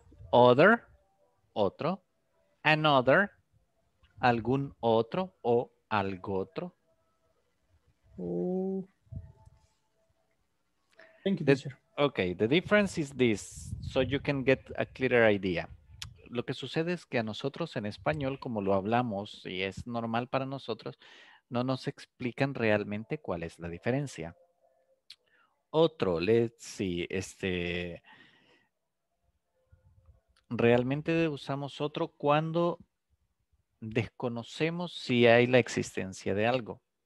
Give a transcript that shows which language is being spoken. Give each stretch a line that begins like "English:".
Spanish: Other, otro, another, algún otro o algo otro.
English: Thank you, teacher. Okay, the difference is this, so you can get a clearer idea.
Spanish: Lo que sucede es que a nosotros en español, como lo hablamos y es normal para nosotros, no nos explican realmente cuál es la diferencia. Otro,
English: let's see,
Spanish: realmente usamos otro cuando desconocemos si hay la existencia de algo.